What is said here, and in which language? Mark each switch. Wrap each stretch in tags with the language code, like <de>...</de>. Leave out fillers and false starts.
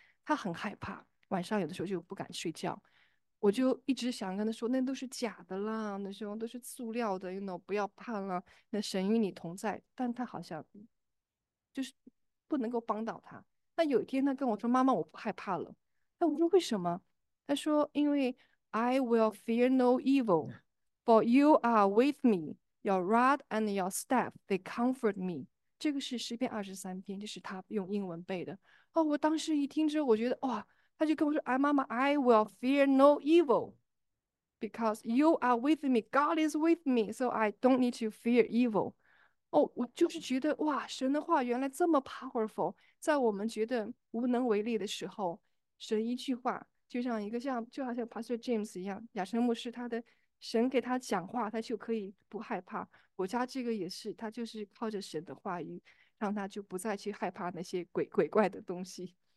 <zh>他很害怕，晚上有的时候就不敢睡觉。我就一直想跟他说，那都是假的啦，那时候都是塑料的，you know，不要怕了，那神与你同在。但他好像就是不能够帮到他。那有一天他跟我说，妈妈，我不害怕了。那我说为什么？他说因为。</zh> <en>I will fear no evil, for you are with me. Your rod and your staff, they comfort me.</en> <zh>这个是诗篇23篇，这是他用英文背的。哦，我当时一听之后，我觉得哇，他就跟我说：“哎，妈妈，</zh> <en>I will fear no evil, because you are with me. God is with me, so I don't need to fear evil.”</en> <zh>哦，我就是觉得哇，神的话原来这么 powerful，在我们觉得无能为力的时候，神一句话。就好像 Pastor James 一样，亚瑟牧师，他的神给他讲话，他就可以不害怕。我家这个也是，他就是靠着神的话语，让他就不再去害怕那些鬼怪的东西。</zh>